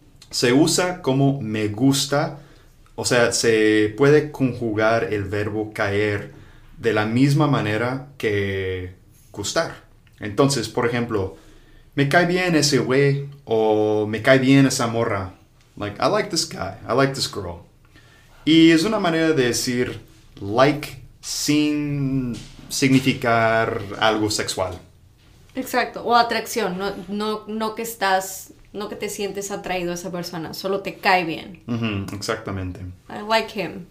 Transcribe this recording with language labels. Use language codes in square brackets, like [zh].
[es] Se usa como me gusta, o sea, se puede conjugar el verbo caer de la misma manera que gustar. Entonces, por ejemplo, me cae bien ese güey o me cae bien esa morra. [en] Like, I like this guy, I like this girl. [es] Y es una manera de decir like sin significar algo sexual. Exacto, o atracción, no, no, no que estás, no que te sientes atraído a esa persona, solo te cae bien. Exactamente. [en] I like him, me